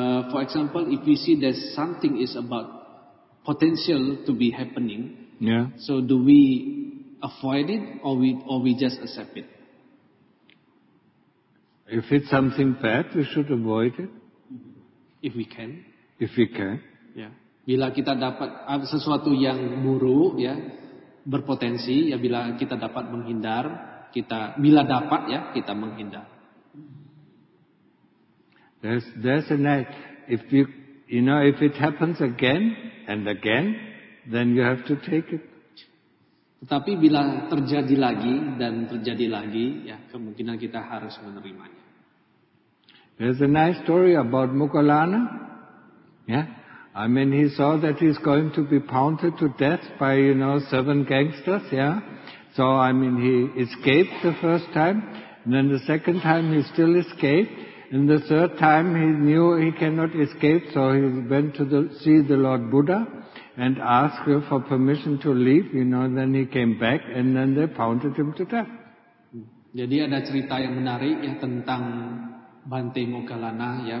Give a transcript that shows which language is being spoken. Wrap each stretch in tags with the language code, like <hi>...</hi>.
<en>For example, if we see that something is about potential to be happening, yeah. So do we avoid it or we just accept it? If it's something bad, we should avoid it. If we can. If we can. Yeah.</en> <id>Bila kita dapat sesuatu yang buruk, ya, berpotensi, ya, bila kita dapat menghindar, kita menghindar.</id> <en>There's an act. If it happens again and again, then you have to take it.</en> <id>Tetapi bila terjadi lagi dan terjadi lagi, ya, kemungkinan kita harus menerimanya.</id> <en>There's a nice story about Mukulana. Yeah. I mean, he saw that he's going to be pounded to death by, you know, 7 gangsters, yeah. So, I mean, he escaped the first time, and then the second time he still escaped, and the third time he knew he cannot escape, so he went to see the Lord Buddha and ask her for permission to leave, you know, then he came back and then they pounded him to death.</en> <id>Jadi ada cerita yang menarik, ya, tentang Bhante Moggallana, ya.</id>